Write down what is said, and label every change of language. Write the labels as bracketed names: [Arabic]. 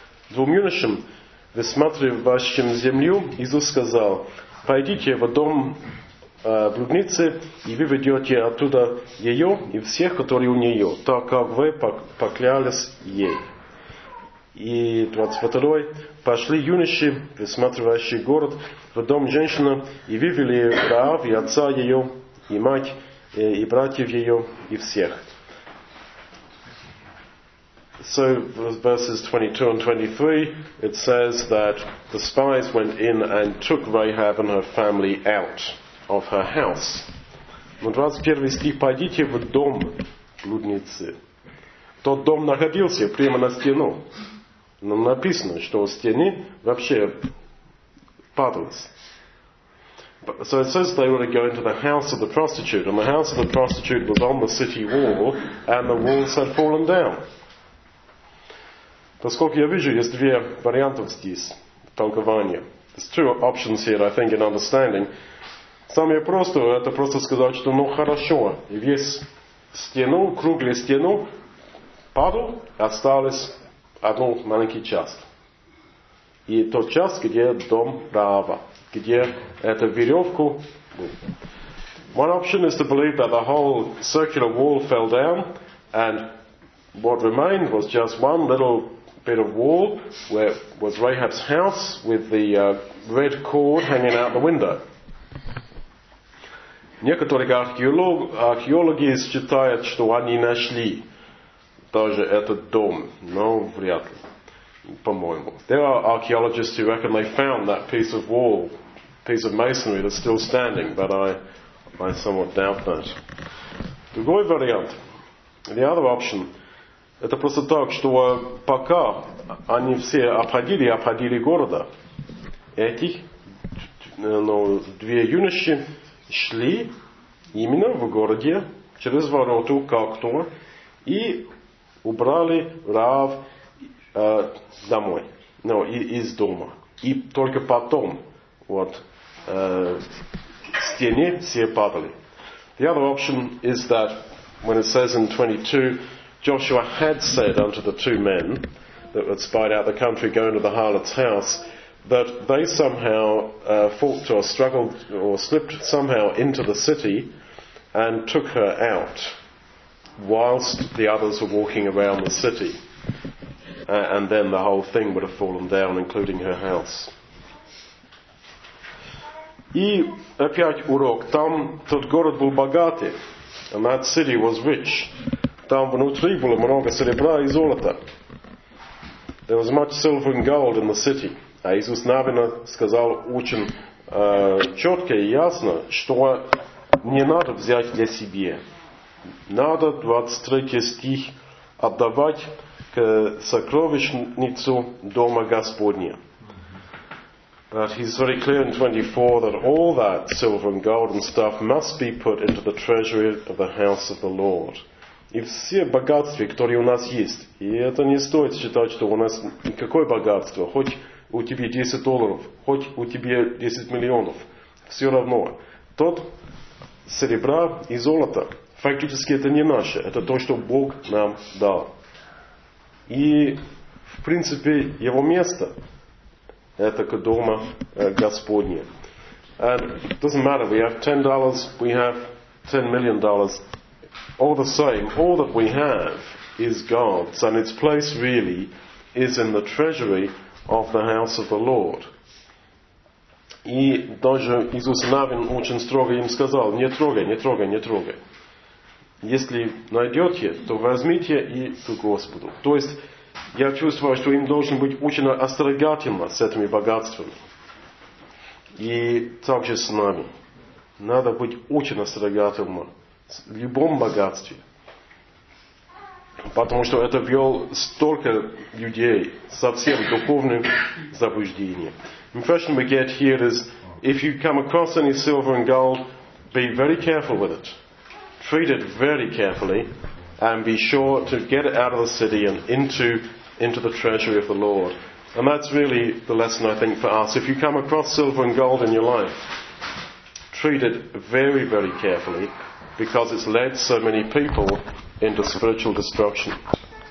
[Russian] Двум юношам, высматривающим землю, Иисус сказал, пойдите в дом блудницы, и вы ведете оттуда ее и всех, которые у нее, так как вы поклялись ей. И 22-й, пошли юноши, высматривающие город, в дом женщины, и вывели Раав, и отца ее, и мать, и братьев ее, и всех. [English] So, verses 22 and 23, it says that the spies went in and took Rahab and her family out of her house. [Russian] 21 стих, пойдите в дом блудницы. Тот дом находился прямо на стену. Но написано, что стены вообще падались. [English] So it says they were to go into the house of the prostitute, and the house of the prostitute was on the city wall, and the walls had fallen down. [Russian] Поскольку я вижу, есть две варианта здесь, толкования. [English] There's two options here, I think, in understanding. [Russian] Самое простое, это просто сказать, что ну хорошо, и весь стену, круглую стену, падал, осталось одну маленькую часть. И тот час, где дом Раава, где эту веревку. [English] One option is to believe that the whole circular wall fell down, and what remained was just one little bit of wall where was Rahab's house with the red cord hanging out the window. [Russian] Некоторые археологи считают, что они нашли даже этот дом, но вряд ли, по-моему. [English] There are archaeologists who reckon they found that piece of wall, piece of masonry that's still standing, but I somewhat doubt that. [Russian] Другой вариант. [English] The other option. [Russian] Это просто так, что пока они все обходили города, эти, ну, две юноши шли, именно в городе, через вороту, как-то, и убрали Раав домой, ну, из дома. И только потом вот стены все падали. [English] The other option is that when it says in 22, Joshua had said unto the two men that had spied out the country, go into the harlot's house, that they somehow fought or struggled or slipped somehow into the city and took her out whilst the others were walking around the city. And then the whole thing would have fallen down, including her house. [Russian] И опять урок. Там тот город был богатый. [English] And that city was rich. [Russian] Там внутри было много серебра и золота. [English] There was much silver and gold in the city. [Russian] А Иисус Навин сказал очень четко и ясно, что не надо взять для себя. Надо 23 стих отдавать к сокровищницу дома Господня. [English] But he's very clear in 24 that all that silver and gold and stuff must be put into the treasury of the house of the Lord. [Russian] И все богатства, которые у нас есть, и это не стоит считать, что у нас никакое богатство, хоть у тебя $10, хоть у тебя $10 миллионов, все равно. Тот серебра и золото, фактически это не наше, это то, что Бог нам дал. И в принципе его место это к дому Господне. [English] And it doesn't matter, we have $10, we have $10 million. All the same, all that we have is God's, and its place really is in the treasury of the house of the Lord. [Russian] И даже Иисус Навин очень строго им сказал, не трогай, не трогай, не трогай. Если найдете, то возьмите и к Господу. То есть, я чувствую, что им должен быть очень остерегательно с этими богатствами. И также с нами. Надо быть очень остерегательно с любом богатстве. Потому что это ввел столько людей совсем духовным заблуждением. [English] The impression we get here is, if you come across any silver and gold, be very careful with it. Treat it very carefully and be sure to get it out of the city and into the treasury of the Lord. And that's really the lesson, I think, for us. If you come across silver and gold in your life, treat it very, very carefully because it's led so many people into spiritual destruction.